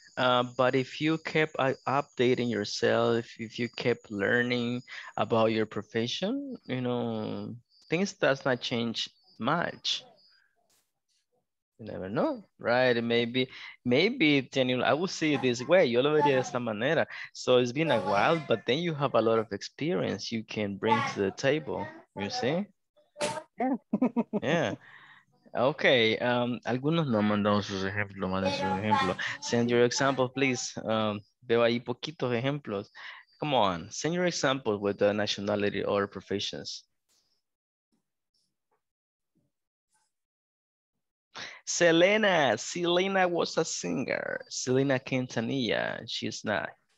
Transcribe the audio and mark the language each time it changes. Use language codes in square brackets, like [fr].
[en] But if you kept updating yourself, if you kept learning about your profession, you know, things does not change much. You never know, right? Maybe Daniel, I will see it this way. [es] Yo lo vería de esta manera. [en] So it's been a while, but then you have a lot of experience you can bring to the table. You see? Yeah. Okay. [es] Algunos no mandaron sus ejemplos, manden sus ejemplos. [en] Send your examples, please. [es] Veo ahí poquitos ejemplos. [en] Come on, send your examples with the nationality or professions. Selena was a singer. Selena Quintanilla, she's not.